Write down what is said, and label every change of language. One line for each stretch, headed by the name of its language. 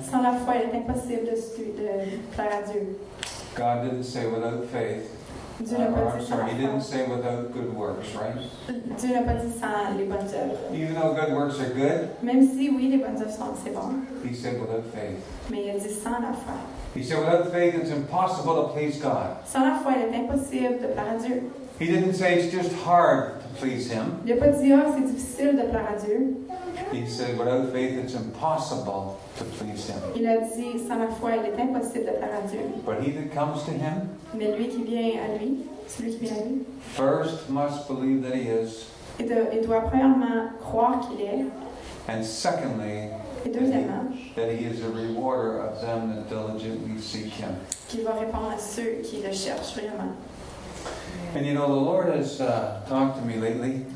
French: Sans la foi, il est impossible de plaire à Dieu.
English: God didn't say without faith. He didn't say without good works, right?
French: Dieu n'a pas dit sans les bonnes œuvres.
English: Even though good works are good.
French: Même si oui, les bonnes œuvres sont c'est bon.
English: He said without faith.
French: Mais il a dit sans la foi.
English: He said without faith, it's impossible to please God.
French: Sans la foi, il est impossible de plaire à Dieu.
English: He didn't say it's just hard to please Him.
French: Il a pas dit oh, c'est difficile de plaire à Dieu.
English: He said without faith, it's impossible to please Him.
French: Il a dit sans la foi, il est impossible de plaire à Dieu.
English: But he that comes to Him.
French: Mais lui qui vient à lui, celui qui vient à lui.
English: First must believe that He is.
French: Il doit premièrement croire qu'il est.
English: And secondly.
French: Et deuxièmement.
English: That He is a rewarder of them that diligently seek Him.
French: Qu'il va répondre à ceux qui le cherchent vraiment.
English: And you know, the Lord has talked to me lately.